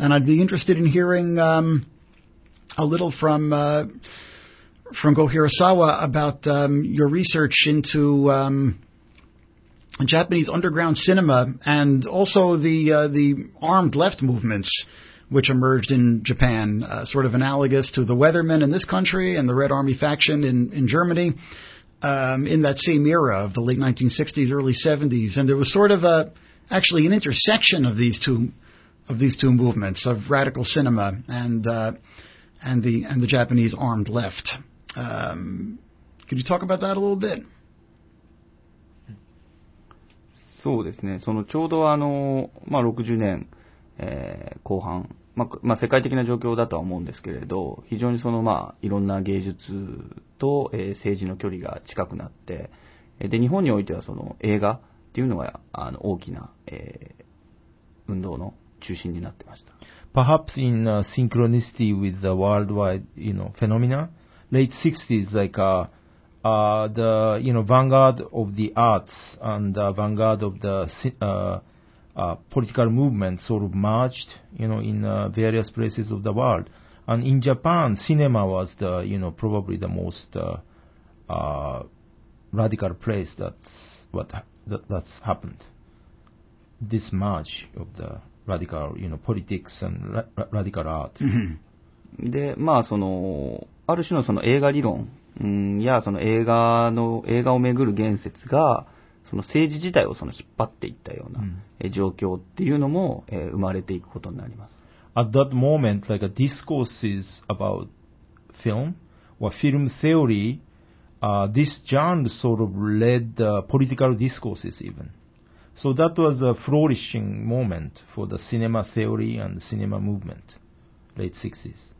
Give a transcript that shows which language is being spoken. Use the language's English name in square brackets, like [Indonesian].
[English] And I'd be interested in hearing a little from Go Kurosawa about your research into Japanese underground cinema and also the armed left movements, which emerged in Japan, sort of analogous to the Weathermen in this country and the Red Army faction in Germany, in that same era of the late 1960s, early 70s. And there was sort of an intersection of these two movements of radical cinema and the Japanese armed left. Could you talk about that a little bit? [Japanese] そうですね。そのちょうどまあ、60年、後半、まあ、世界的な状況だとは思うんですけれど、非常にその、まあ、いろんな芸術と、政治の距離が近くなって、で、日本においてはその映画っていうのが大きな、運動の中心になってました。 [English] Perhaps in synchronicity with the worldwide, you know, phenomena, late 60s, like, the, you know, vanguard of the arts and the vanguard of the political movement sort of merged, you know, in various places of the world. And in Japan, cinema was the, you know, probably the most radical place that's happened. This merge of the radical, you know, politics and radical art. [Japanese] で、まあ、その、ある種のその映画理論。いや、その映画をめぐる言説が、その政治自体をその引っ張っていったような状況っていうのも、生まれていくことになります。 [English] At that moment, like a discourses about film or film theory, this genre sort of led the political discourses even. So that was a flourishing moment for the cinema theory and the cinema movement, late 60s.